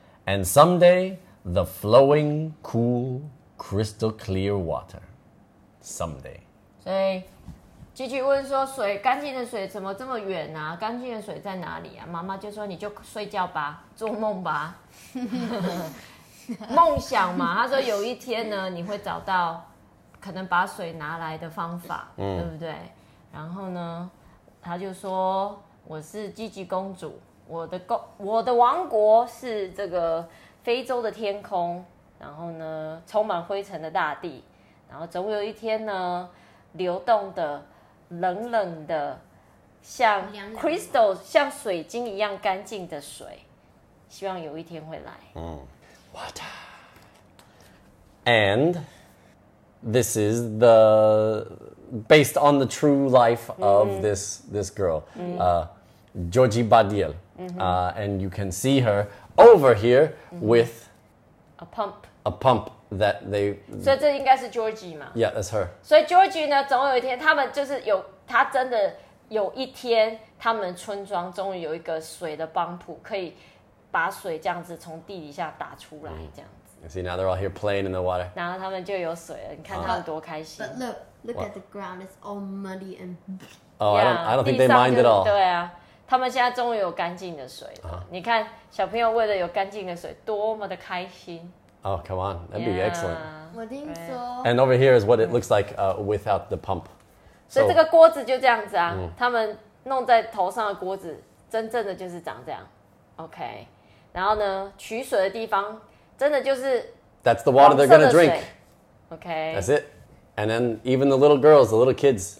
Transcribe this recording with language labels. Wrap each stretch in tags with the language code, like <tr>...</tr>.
<en>And someday, the flowing, cool, crystal clear water. Someday.</en> <zh>所以Gigi问说水干净的水怎么这么远啊干净的水在哪里啊妈妈就说你就睡觉吧做梦吧梦想嘛他说有一天呢你会找到可能把水拿来的方法、嗯、对不对然后呢他就说我是Gigi公主我的王国是这个非洲的天空然后呢充满灰尘的大地然后总有一天呢流动的冷冷的像 crystal 像水晶一样干净的水希望有一天会来、</zh> <en>嗯、Water And this is the based on the true life of、mm-hmm. this girl、mm-hmm. Georgie Badiel、mm-hmm. And you can see her over here、mm-hmm. with a pump that they</en> <zh>所以这应该是 Georgie 嘛</zh> <en>Yeah, that's her</en> <zh>所以 Georgie 呢总有一天他们就是有他真的有一天他们村庄终于有一个水的帮浦可以把水这样子从地底下打出来这样子、 mm-hmm.</zh> <en>See, now they're all here playing in the water</en> <zh>然后他们就有水了你看他们多开心、</zh> <en>But look at the ground, it's all muddy and Oh, yeah, I don't think they mind at all</en> <zh>对啊他们现在终于有干净的水了、uh-huh. 你看小朋友为了有干净的水多么的开心</zh> <en>Oh, come on. That'd be excellent. Yeah. And over here is what it looks like without the pump.</en> <zh>So, 这个锅子就这样子啊、嗯、他们弄在头上的锅子真正的就是长这样。</zh> <en>OK.</en> <zh>然后呢取水的地方真的就是</zh> <en>That's the water they're going to drink. OK. That's it. And then even the little girls, the little kids.</en>